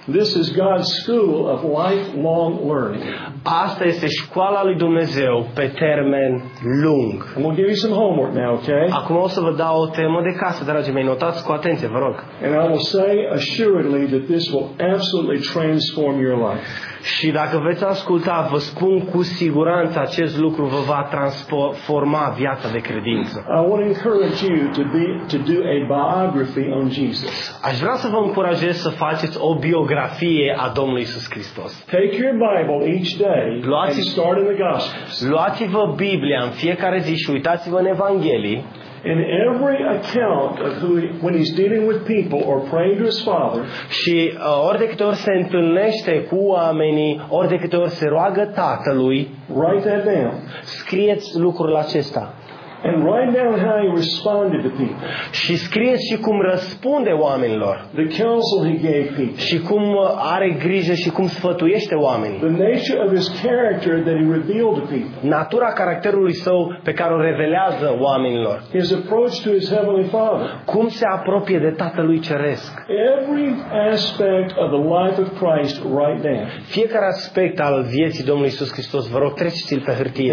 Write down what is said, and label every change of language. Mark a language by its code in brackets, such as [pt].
[en] This is God's school of lifelong learning. [ro] Asta este școala lui Dumnezeu pe termen lung. [en] I'm going to give you some homework now, okay? [ro] Acum o să vă dau o temă de casă, dragii mei. Notați cu atenție, vă rog. [en] And I will say assuredly that this will absolutely transform your life. [ro] Și dacă veți asculta, vă spun cu siguranță acest lucru vă va transforma viața de credință. [en] I want to encourage you to do a biography on Jesus. [ro] Aș vrea să vă încurajez să faceți o biografie a Domnului Iisus Hristos. [en] Take your Bible each day and start in the Gospels. [ro] Luați-vă Biblia în fiecare zi și uitați-vă în Evanghelii. [en] In every account of who he, when he's dealing with people or praying to his father, [ro] și ori de câte ori se întâlnește cu oamenii, ori de câte ori se roagă tatălui, [en] write that down. [ro] Scrieți lucrul acesta. [en] And write down how he responded to people. [ro] Și scrieți și cum răspunde oamenilor. [en] The counsel he gave people. [ro] Și cum are grijă și cum sfătuiește oamenii. [en] The nature of his character that he revealed to people. [ro] Natura caracterului său pe care o revelează oamenilor. [en] His approach to his heavenly father. [ro] Cum se apropie de Tatălui ceresc. [en] Every aspect of the life of Christ, write down. [ro] Fiecare aspect al vieții Domnului Iisus Hristos, vă rog, treceți-l pe hârtie.